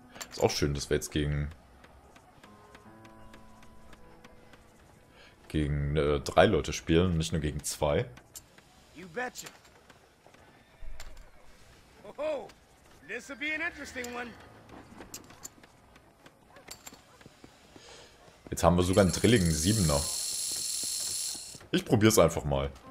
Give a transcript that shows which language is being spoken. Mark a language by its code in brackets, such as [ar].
[de] Ist auch schön, dass wir jetzt gegen drei Leute spielen, nicht nur gegen zwei. [en] You betcha. Oh, this will be an interesting one. [de] Jetzt haben wir sogar einen drilligen Siebener. Ich probier's einfach mal.